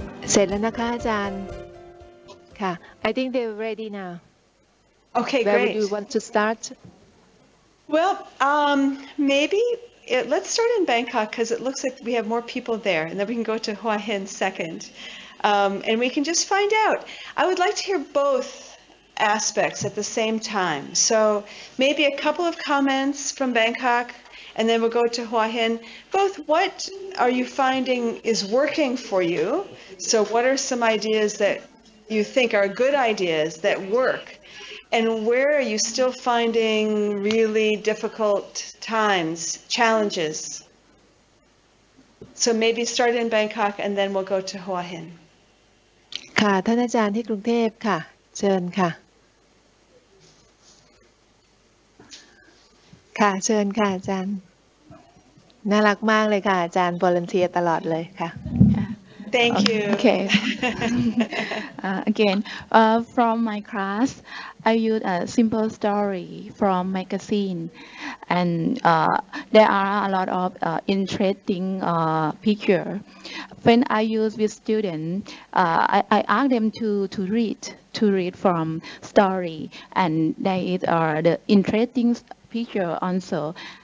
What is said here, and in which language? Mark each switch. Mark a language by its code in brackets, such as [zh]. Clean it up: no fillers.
[th] เสร็จแล้วนะคะอาจารย์ค่ะ [en] I think they're ready now okay where great where do you want to start well maybe it, let's start in Bangkok because it looks like we have more people there and then we can go to Hua Hin second and we can just find out I would like to hear both aspects at the same time. So maybe a couple of comments from Bangkok, and then we'll go to Hua Hin. Both, what are you finding is working for you? So what are some ideas that you think are good ideas that work? And where are you still finding really difficult times, challenges? So maybe start in Bangkok, and then we'll go to Hua Hin. [th] ค่ะท่านอาจารย์ที่กรุงเทพค่ะเชิญค่ะค่ะเชิญค่ะอาจารย์น่ารักมากเลยค่ะอาจารย์วอลันเทียร์ตลอดเลยค่ะ [en] Thank you. Okay. Again, from my class, I use a simple story from magazine, and there are a lot of interesting picture. When I use with student, I ask them to read from story, and they are the interesting picture also.